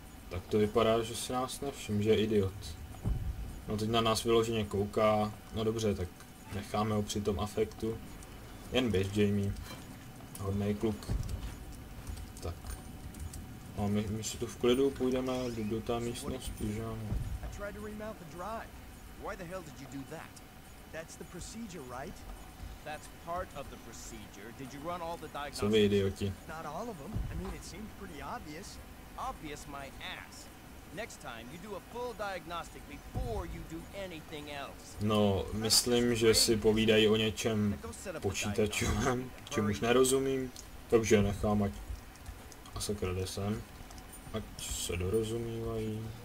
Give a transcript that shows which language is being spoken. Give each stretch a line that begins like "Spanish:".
Czech: Tak to vypadá, že si nás nevšim, že je idiot. No teď na nás vyloženě kouká. No dobře, tak necháme ho při tom afektu. Jen běž, Jamie. Hodnej kluk. Tak. No my si tu v klidu půjdeme do té místnosti, že ano.
English: Tried to remount the drive. Why the hell did you do that? That's the procedure, right? That's part of the procedure. Did you run all the diagnostics? Not all of them. I mean, it seemed pretty obvious. Obvious my ass. Next time you do a full diagnostic before you do anything else.
Czech: No, myslím, že si povídají o něčem počítačovém, čemuž nerozumím. Takže nechám, ať sakra sem. Ať se dorozumívají.